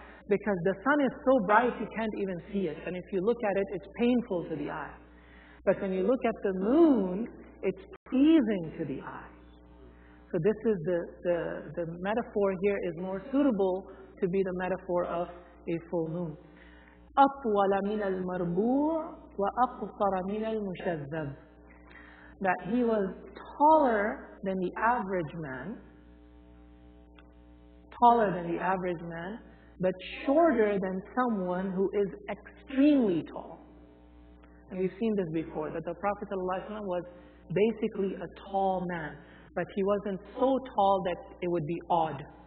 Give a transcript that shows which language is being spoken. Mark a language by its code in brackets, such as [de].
[en] Because the sun is so bright you can't even see it. And if you look at it, it's painful to the eye. But when you look at the moon, it's pleasing to the eye. So this is the metaphor here is more suitable to be the metaphor of a full moon. [ar] أطول من المربوع وأقصر من المشذب. [en] That he was taller than the average man, taller than the average man, but shorter than someone who is extremely tall. And we've seen this before, that the Prophet ﷺ was basically a tall man, but he wasn't so tall that it would be odd.